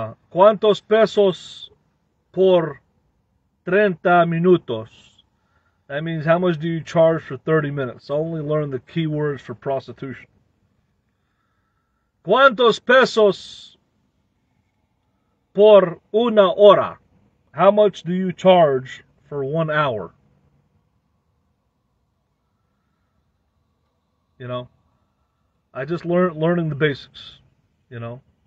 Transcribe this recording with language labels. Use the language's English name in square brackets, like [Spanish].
[Spanish] ¿Cuántos pesos por 30 minutos? [English] That means how much do you charge for 30 minutes? I only learned the keywords for prostitution. [Spanish] ¿Cuántos pesos por una hora? [English] How much do you charge for 1 hour? You know, I just learning the basics, you know.